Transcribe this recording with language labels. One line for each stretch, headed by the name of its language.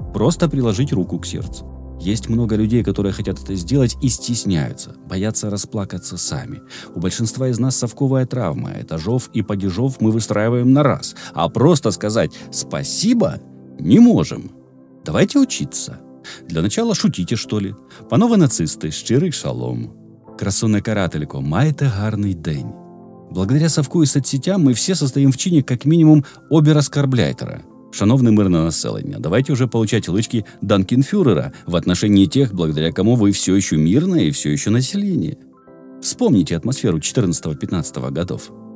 Russian: Просто приложить руку к сердцу. Есть много людей, которые хотят это сделать и стесняются, боятся расплакаться сами. У большинства из нас совковая травма, этажов и падежов мы выстраиваем на раз. А просто сказать «спасибо» не можем. Давайте учиться. Для начала шутите, что ли. Панове нацисты,
Ukrainian: щирий шалом. Красуне карателько, маєте гарний день.
Russian: Благодаря совку и соцсетям мы все состоим в чине как минимум обер-оскарбляйтера.
Ukrainian: Шановне мирне населення,
Russian: давайте уже получать лычки Данкенфюрера в отношении тех, благодаря кому вы все еще мирное и все еще население. Вспомните атмосферу 14-15 годов.